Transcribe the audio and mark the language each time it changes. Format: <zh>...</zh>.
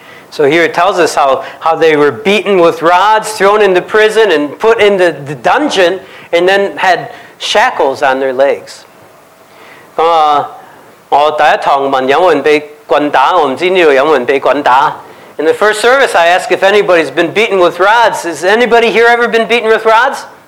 <en>So here it tells us how they were beaten with rods, thrown into prison, and put into the dungeon, and then had shackles on their legs.</en> <yue>我第一堂问有冇人被棍打，我唔知呢度有冇人被棍打。</yue> <en>In the first service, I ask if anybody's been beaten with rods. Has anybody here ever been beaten with rods?</en>